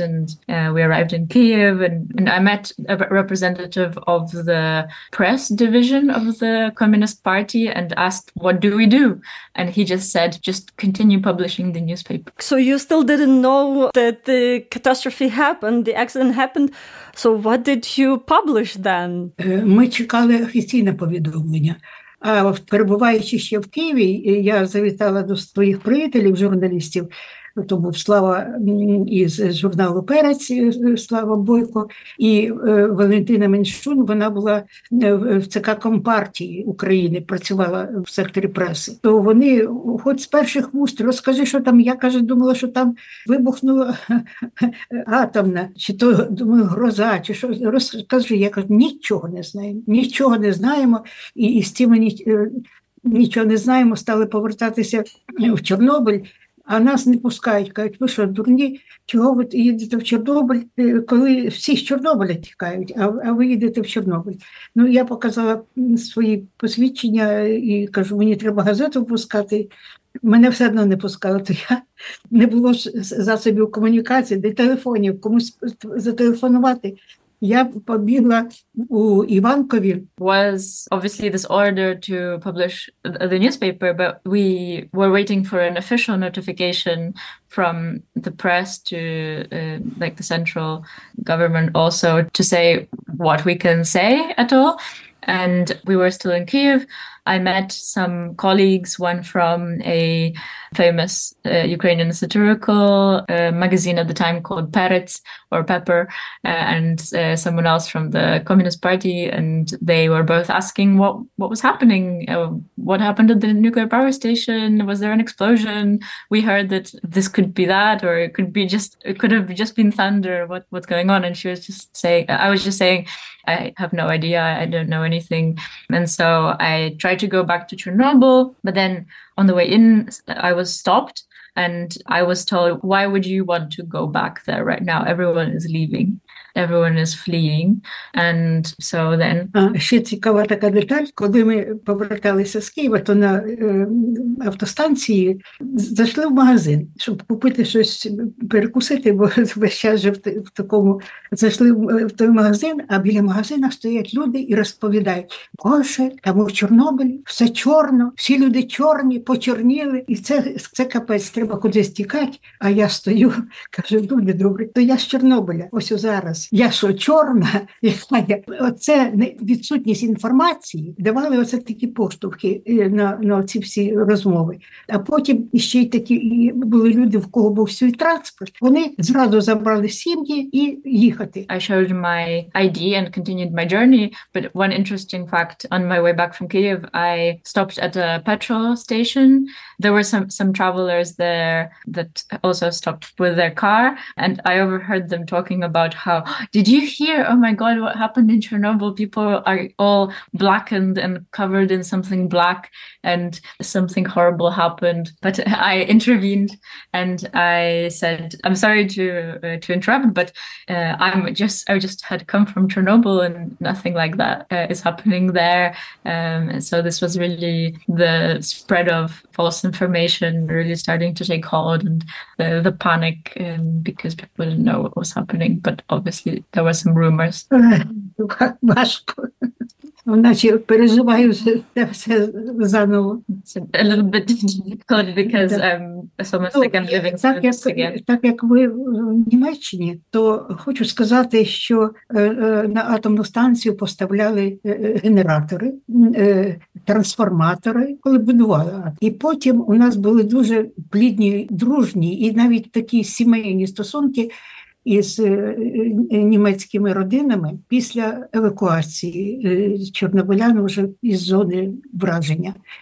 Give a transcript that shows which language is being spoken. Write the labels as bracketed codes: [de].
[en] And we arrived in Kyiv, and I met a representative of the press division of the Communist Party and asked, what do we do? And he just said, just continue publishing the newspaper. So you still didn't know that the catastrophe happened, the accident happened. So what did you publish then? [uk] Ми чекали офіційне повідомлення. А перебуваючи ще в Києві, я завітала до своїх приятелів, журналістів. То був Слава із журналу «Перець», Слава Бойко, і Валентина Меншун, вона була в ЦК Компартії України, працювала в секторі преси. То вони, хоч з перших вуст, розкажи, що там, я, каже, думала, що там вибухнула атомна, чи то, думаю, гроза, чи що, розкажи, я кажу, нічого не знаємо, і з тими нічого не знаємо, стали повертатися в Чорнобиль. А нас не пускають, кажуть, ви що, дурні, чого ви їдете в Чорнобиль, коли всі з Чорнобиля тікають, а ви їдете в Чорнобиль. Ну, я показала свої посвідчення і кажу, мені треба газету пускати. Мене все одно не пускали, то я не було засобів комунікації, де телефонів, комусь зателефонувати. Я побігла у Іванкові. [en] Was obviously this order to publish the newspaper, but we were waiting for an official notification from the press to like the central government also to say what we can say at all. And we were still in Kyiv. I met some colleagues, one from a famous Ukrainian satirical magazine at the time called Peretz or Pepper, and someone else from the Communist Party. And they were both asking what was happening. What happened at the nuclear power station? Was there an explosion? We heard that this could be that, or it could have just been thunder. What's going on? And she was just saying, I was just saying, I have no idea. I don't know anything. And so I tried to go back to Chernobyl, but then on the way in, I was stopped and I was told, why would you want to go back there right now? Everyone is leaving. everyone is fleeing. And so then... [uk] Ще цікава така деталь, коли ми поверталися з Києва, то на автостанції зайшли в магазин, щоб купити щось, перекусити, бо весь час вже в такому... Зайшли в той магазин, а біля магазина стоять люди і розповідають, Боже, там у Чорнобилі все чорно, всі люди чорні, почорніли, і це капець, треба кудись тікати. А я стою, кажу, люди добрі, то я з Чорнобиля, ось зараз. Я що, чорна? Оце відсутність інформації давали оце такі поштовхи на ці всі розмови. А потім ще й такі були люди, в кого був свій транспорт. Вони зразу забрали сім'ї і їхати. [en] I showed my ID and continued my journey, but one interesting fact, on my way back from Kyiv, I stopped at a petrol station. There were some travelers there that also stopped with their car, and I overheard them talking about how, did you hear, oh my God, what happened in Chernobyl? People are all blackened and covered in something black and something horrible happened. But I intervened and I said, I'm sorry to interrupt, but I just had come from Chernobyl and nothing like that is happening there. And so this was really the spread of false information really starting to take hold, and the panic because people didn't know what was happening. But obviously there were some rumors. [uk] Важко. Наче переживаю це все заново. [en] It's a little bit difficult because it's almost like I'm living through this again. [uk] Так як ви в Німеччині, то хочу сказати, що на атомну станцію поставляли генератори, трансформатори, коли будували. І потім у нас були дуже плідні, дружні і навіть такі сімейні стосунки із німецькими родинами після евакуації чорнобилян вже із зони враження.